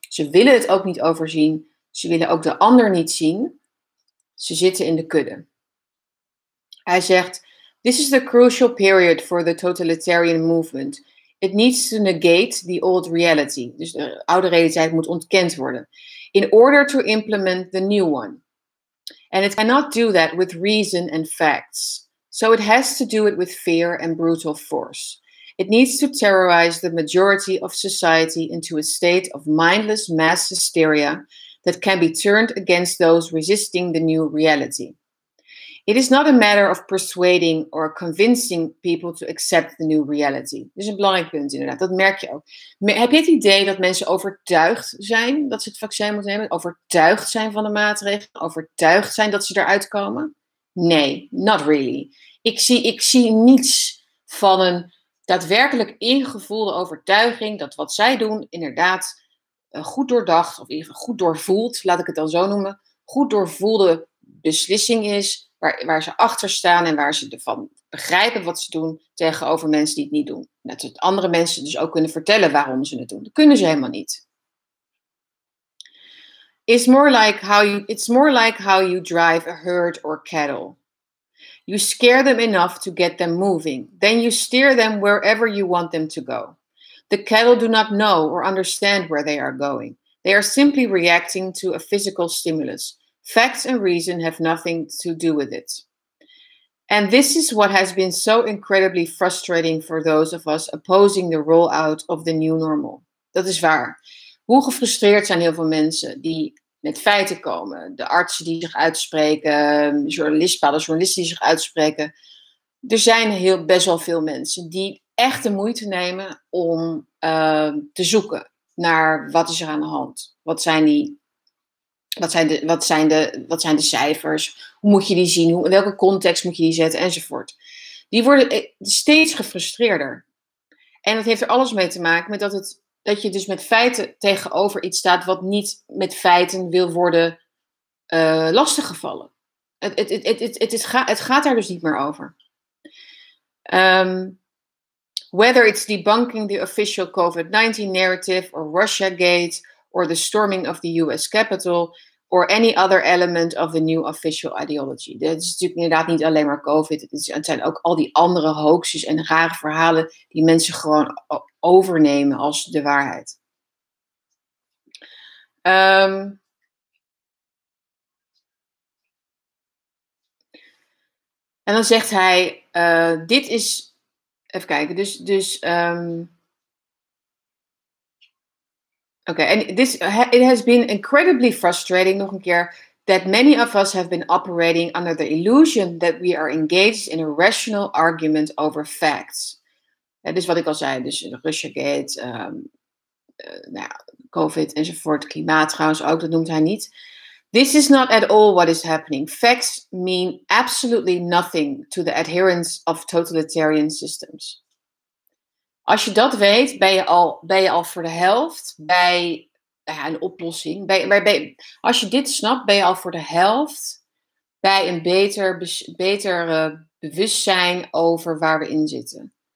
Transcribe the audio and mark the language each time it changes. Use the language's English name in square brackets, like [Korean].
[Dutch] Ze willen het ook niet overzien. Ze willen ook de ander niet zien. Ze zitten in de kudde. Hij zegt, [English] this is the crucial period for the totalitarian movement. It needs to negate the old reality. [Dutch] Dus de oude realiteit moet ontkend worden. [English] In order to implement the new one. And it cannot do that with reason and facts. So it has to do it with fear and brutal force. It needs to terrorize the majority of society into a state of mindless mass hysteria that can be turned against those resisting the new reality. It is not a matter of persuading or convincing people to accept the new reality. [Dutch] Dit is een belangrijk punt inderdaad, dat merk je ook. Heb je het idee dat mensen overtuigd zijn dat ze het vaccin moeten nemen? Overtuigd zijn van de maatregelen? Overtuigd zijn dat ze eruit komen? Nee, [English] not really. [Dutch] Ik zie niets van een daadwerkelijk ingevoelde overtuiging dat wat zij doen inderdaad goed doordacht of even goed doorvoeld, laat ik het dan zo noemen, goed doorvoelde beslissing is. Waar ze achter staan en waar ze ervan begrijpen wat ze doen tegenover mensen die het niet doen. Net zoals andere mensen dus ook kunnen vertellen waarom ze het doen. Dat kunnen ze helemaal niet. [English] It's more like how you drive a herd or cattle. You scare them enough to get them moving. Then you steer them wherever you want them to go. The cattle do not know or understand where they are going. They are simply reacting to a physical stimulus. Facts and reason have nothing to do with it. And this is what has been so incredibly frustrating for those of us opposing the rollout of the new normal. [Dutch] Dat is waar. Hoe gefrustreerd zijn heel veel mensen die met feiten komen. De artsen die zich uitspreken, journalisten die zich uitspreken. Er zijn best wel veel mensen die echt de moeite nemen om te zoeken naar wat is er aan de hand. Wat zijn die... Wat zijn de cijfers? Hoe moet je die zien? In welke context moet je die zetten? Enzovoort. Die worden steeds gefrustreerder. En dat heeft er alles mee te maken met dat je dus met feiten tegenover iets staat wat niet met feiten wil worden lastiggevallen. Het gaat daar dus niet meer over. [English] Whether it's debunking the official COVID-19 narrative or Russiagate or the storming of the US Capitol, or any other element of the new official ideology. [Dutch] Dat is natuurlijk inderdaad niet alleen maar COVID. Het zijn ook al die andere hoaxes en rare verhalen die mensen gewoon overnemen als de waarheid. En dan zegt hij, dit is... Even kijken, [English] Okay, and this it has been incredibly frustrating, [Dutch] nog een keer, [English] that many of us have been operating under the illusion that we are engaged in a rational argument over facts. [Dutch] Dat is wat ik al zei, dus Russiagate, COVID enzovoort, klimaat trouwens ook, dat noemt hij niet. [English] This is not at all what is happening. Facts mean absolutely nothing to the adherents of totalitarian systems. [Dutch] Als je dat weet, ben je al voor de helft bij een oplossing. Als je dit snapt, ben je al voor de helft bij een beter bewustzijn over waar we in zitten.